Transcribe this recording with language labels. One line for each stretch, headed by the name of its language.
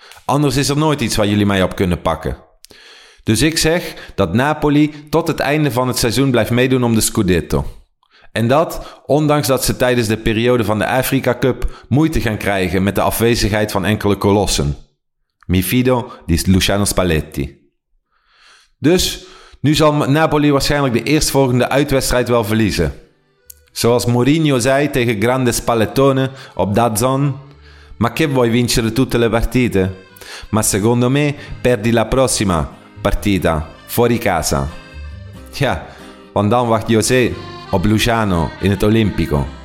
Dutch: Anders is er nooit iets waar jullie mij op kunnen pakken. Dus ik zeg dat Napoli tot het einde van het seizoen blijft meedoen om de Scudetto. En dat, ondanks dat ze tijdens de periode van de Afrika Cup moeite gaan krijgen met de afwezigheid van enkele kolossen.
Italian: Mi fido di Luciano Spalletti.
Dutch: Dus, nu zal Napoli waarschijnlijk de eerstvolgende uitwedstrijd wel verliezen. Zoals Mourinho zei tegen Grande Spallettone op Dazon:
Italian: ma che vuoi vincere tutte le partite? Ma secondo me perdi la prossima partita fuori casa.
Dutch: Ja, want dan wacht José op Luciano in het Olimpico.